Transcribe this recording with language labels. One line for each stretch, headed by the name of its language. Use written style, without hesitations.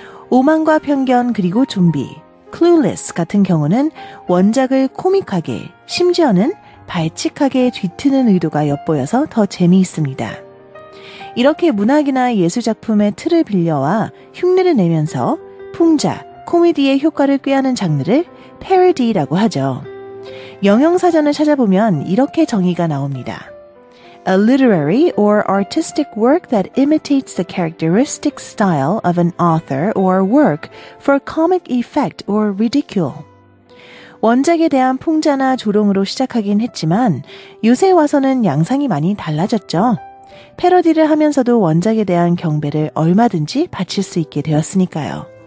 Korean: 오만과 편견 그리고 좀비, 클루리스 같은 경우는 원작을 코믹하게, 심지어는 발칙하게 뒤트는 의도가 엿보여서 더 재미있습니다. 이렇게 문학이나 예술작품의 틀을 빌려와 흉내를 내면서 풍자, 코미디의 효과를 꾀하는 장르를 패러디라고 하죠. 영영사전을 찾아보면 이렇게 정의가 나옵니다.
English: A literary or artistic work that imitates the characteristic style of an author or work for comic effect or ridicule.
Korean: 원작에 대한 풍자나 조롱으로 시작하긴 했지만 요새 와서는 양상이 많이 달라졌죠. 패러디를 하면서도 원작에 대한 경배를 얼마든지 바칠 수 있게 되었으니까요.